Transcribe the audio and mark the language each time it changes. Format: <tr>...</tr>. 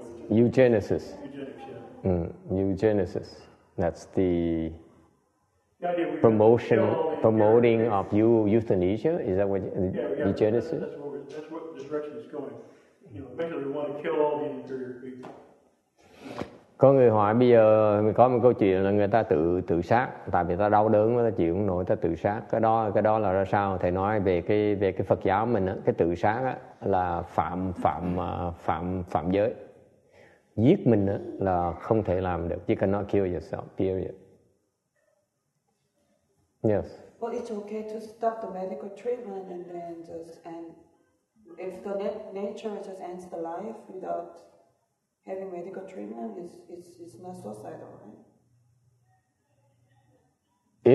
<en>Eugenesis. Eugenics, yeah. Eugenesis. That's the... The idea we promoting areas. Of euthanasia, is that what eugenics is? That's what the direction is going. You know, eventually we want to kill all the inferior people.</en> <vi>Có người hỏi bây giờ có một câu chuyện là người ta tự sát tại vì ta đau đớn người ta chịu không nổi ta tự sát. Cái đó là ra sao? Thầy nói về cái Phật giáo mình á, cái tự sát á là phạm giới. Giết mình á là không thể làm được,</vi> <en>you cannot kill yourself, period. Yes. Well, it's okay to stop the medical treatment and then just end. If the nature just ends the life without having medical treatment, it's not suicidal, right?</en>